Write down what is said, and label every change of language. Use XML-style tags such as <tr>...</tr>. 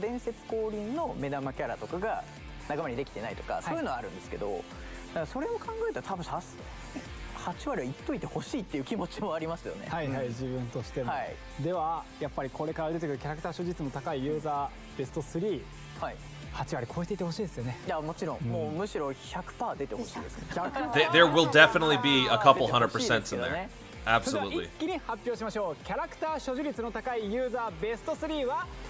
<ja>伝説降臨の目玉キャラとかが仲間にできてないとか、そういうのはあるんですけど、はい、それを考えたら多分8割は言っといてほしいっていう気持ちもありますよね。はいはい、自分としても、はい、ではやっぱりこれから出てくるキャラクター所持率も高いユーザーベスト3、はい、 8割超えていてほしいですよね。いや、もちろん、うん、もうむしろ 100% 出てほしいです。 100%?</ja> <en>There will definitely be a couple hundred percent in there. Absolutely.</en> <ja>一気に発表しましょう。キャラクター所持率の高いユーザーベスト3は</ja>